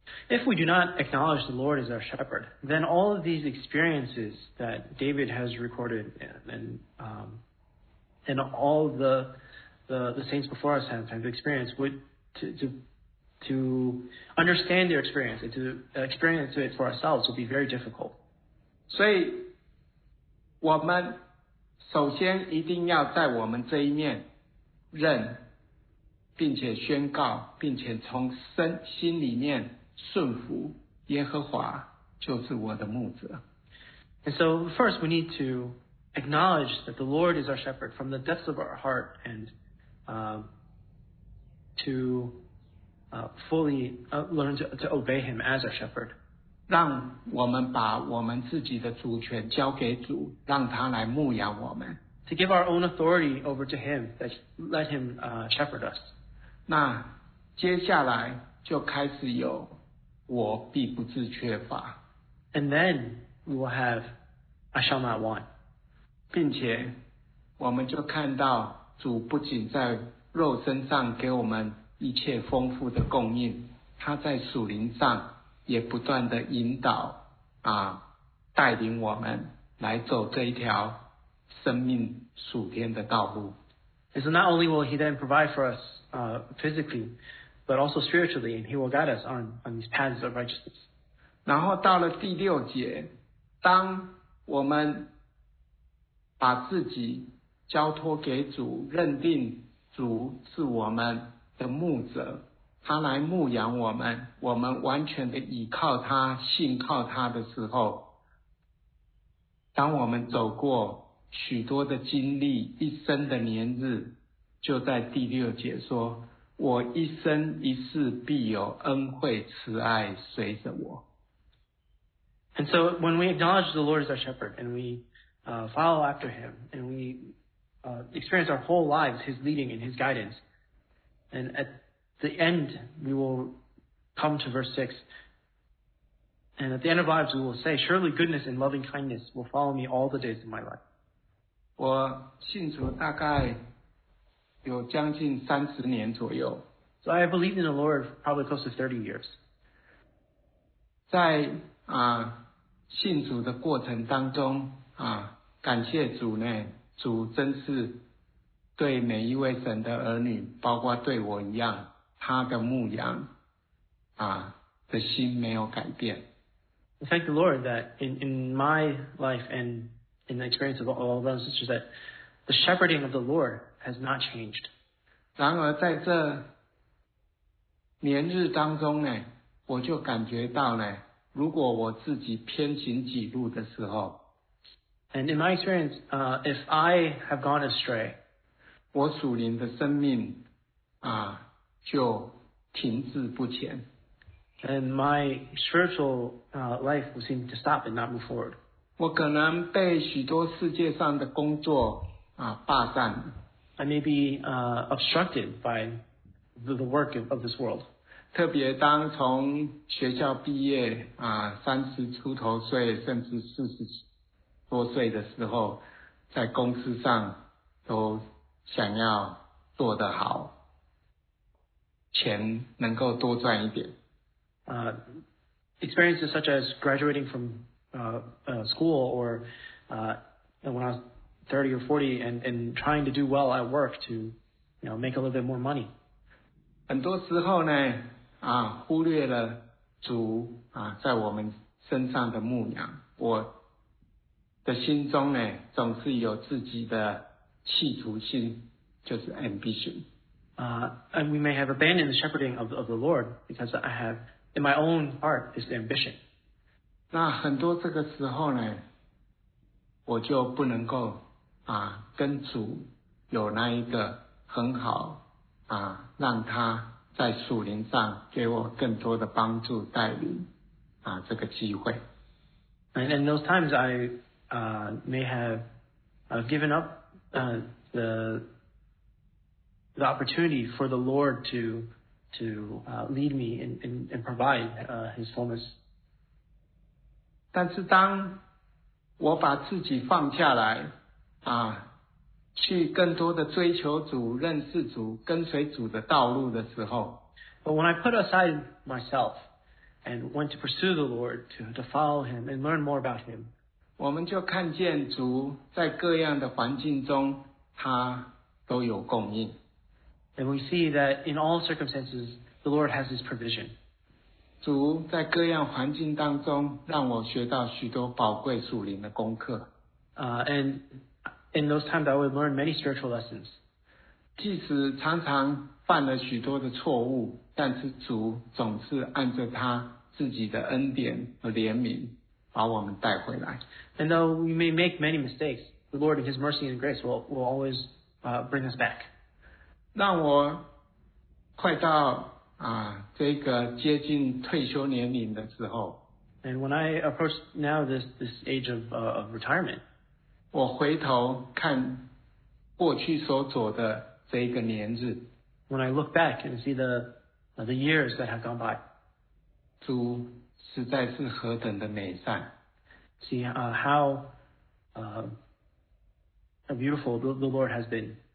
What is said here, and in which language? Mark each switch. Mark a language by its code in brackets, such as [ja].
[en] If we do not acknowledge the Lord as our shepherd, then all of these experiences that David has recorded and all the saints before us have experienced would to understand their experience and to experience it for ourselves would be very difficult. [zh] 所以我们首先一定要在我们这一面认并且宣告并且从身心里面顺服耶和华就是我的牧者。 [en] And so first we need to acknowledge that the Lord is our shepherd from the depths of our heart and to fully learn to obey him as our shepherd. [zh] 让我们把我们自己的主权交给主，让他来牧养我们。 [en] To give our own authority over to him, that let him shepherd us. [zh] 那接下来就开始有我必不致缺乏。 [en] And then we will have I shall not want. [zh] 并且我们就看到主不仅在肉身上给我们一切丰富的供应，他在属灵上也不断地引导啊，带领我们来走这一条生命属天的道路。 [en] And so not only will he then provide for us physically, but also spiritually, and he will guide us on these paths of righteousness. [zh] 然后到了第六节，当我们把自己交托给主，认定主是我们的牧者，他来牧养我们，我们完全的依靠他，信靠他的时候，当我们走过许多的经历，一生的年日，就在第六节说，我一生一世必有恩惠慈爱随着我。 [en] And so when we acknowledge the Lord as our shepherd, and we follow after him, and we experience our whole lives his leading and his guidance, and at the end we will come to verse 6, and at the end of lives we will say, surely goodness and loving kindness will follow me all the days of my life. [zh] 我信主大概有将近三十年左右。 [en] So I believe in the Lord probably close to 30 years. [zh] 在信主的过程当中感谢主呢，主真是对每一位神的儿女，包括对我一样，他的牧羊的心没有改变。 [en] Thank the Lord that in my life and in the experience of all brothers and sisters that the shepherding of the Lord has not changed. [zh] 然而在这年日当中呢，我就感觉到呢，如果我自己偏行己路的时候， [en] And in my experience, if I have gone astray, [zh] 我属灵的生命就停滞不前， [en] And my spiritual life will seem to stop and not move forward. [zh] 我可能被许多世界上的工作霸占。 [en] I may be obstructed by the work of this world. [zh] 特别当从学校毕业三十出头岁甚至四十多岁的时候，在公司上都想要做得好，钱能够多赚一点。 [en] Experiences such as graduating from school or when I was 30 or 40 and trying to do well at work to make a little bit more money. [zh] 很多时候呢忽略了主在我们身上的牧羊，我的心中呢总是有自己的企图心，就是 ambition. [en] And we may have abandoned the shepherding of the Lord because I have in my own heart this ambition. [zh] 那很多这个时候呢，我就不能够跟主有那一个很好让他在属灵上给我更多的帮助带领这个机会。 [en] And in those times I may have given up the opportunity for the Lord to lead me and provide his fullness. [zh] 但是当我把自己放下来去更多的追求主，认识主，跟随主的道路的时候。 [en] But when I put aside myself and went to pursue the Lord to follow him and learn more about him, [zh] 我们就看见主在各样的环境中他都有供应。 [en] And we see that in all circumstances, the Lord has his provision. [zh] 主在各样环境当中让我学到许多宝贵属灵的功课。 [en] And in those times, I would learn many spiritual lessons. [zh] 即使常常犯了许多的错误，但是主总是按着他自己的恩典和怜悯把我们带回来。 [en] And though we may make many mistakes, the Lord in his mercy and grace will always bring us back. [zh] 让我快到这个接近退休年龄的时候。 [en] And when I approach now this age of retirement, [zh] 我回头看过去所走的这一个年日。 [en] When I look back and see the years that have gone by. [zh] 主实在是何等的美善。 [en] See how beautiful the Lord has been.